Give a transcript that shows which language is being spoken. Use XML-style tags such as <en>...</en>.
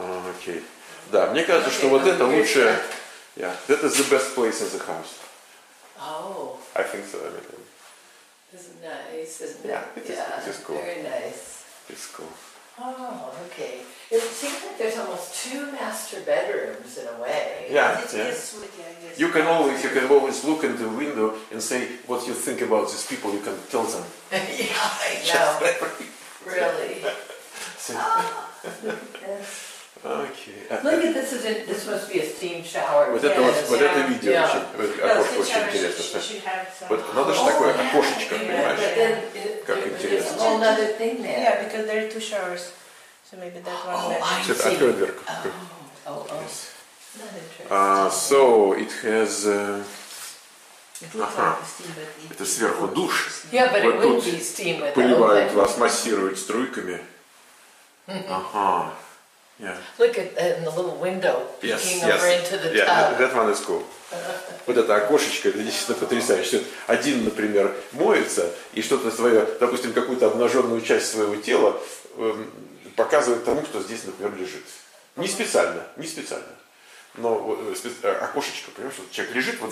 <ru>Окей. Да, мне кажется, что вот это лучшее...</ru> <en>Yeah, that is the best place in the house. Oh. I think so. I mean, this is nice, isn't it? Yeah, it's cool. Very nice. It's cool. Oh, okay. It seems like there's almost two master bedrooms in a way. Yeah, yeah. You can always look in the window and say what you think about these people. You can tell them. Yeah, I know. Really. Okay. Look at this. This must be a steam shower.</en> <ru>Вот это вот, вот это видео очень, окошко очень интересно. Вот надо же такое окошечко, понимаешь? Как интересно.</ru> <en>It's another thing there. Yeah, because there are two showers, so maybe that one. Oh, I see.</en> <ru>Открой дверку.</ru> <en>Oh, oh. Yes. So it has.</en> <ru>Это сверху душ.</ru> <en>Yeah, but it would be steam.</en> <ru>Поливают вас, массируют струйками. Ага. Yeah.</ru> <en>Look at that in the little window peeking yes, over yes. into the yeah, tub. That one is cool.</en> <ru>Вот это окошечко, это действительно потрясающе. Один, например, моется, и что-то свое, допустим, какую-то обнаженную часть своего тела показывает тому, кто здесь, например, лежит. Не специально, не специально. Но окошечко, понимаешь, вот человек лежит вот</ru>